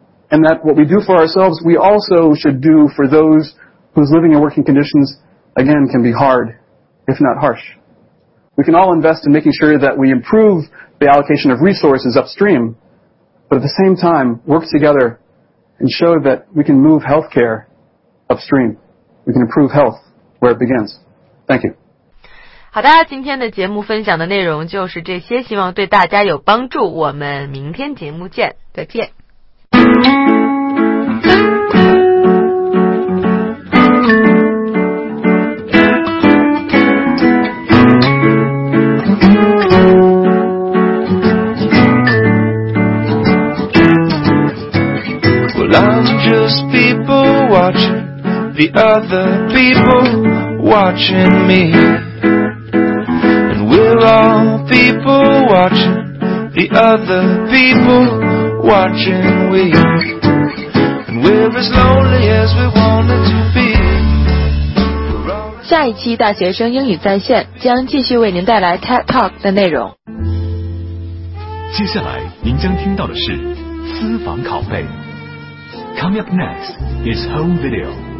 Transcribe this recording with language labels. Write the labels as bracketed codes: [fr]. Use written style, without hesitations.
[en] And that what we do for ourselves, we also should do for those whose living and working conditions, again, can be hard, if not harsh. We can all invest in making sure that we improve the allocation of resources upstream, but at the same time, work together and show that we can move healthcare upstream. We can improve health where it begins. Thank you. [zh] 好的，今天的节目分享的内容就是这些，希望对大家有帮助。我们明天节目见，再见。 [en] Well, I'm just people watching the other people watching me, and we're all people watching the other people watching we. We're as lonely as we wanted to be. [zh] 下一期大学生英语在线将继续为您带来 TED Talk 的内容。接下来您将听到的是私房拷贝。 [en] Coming up next is home video.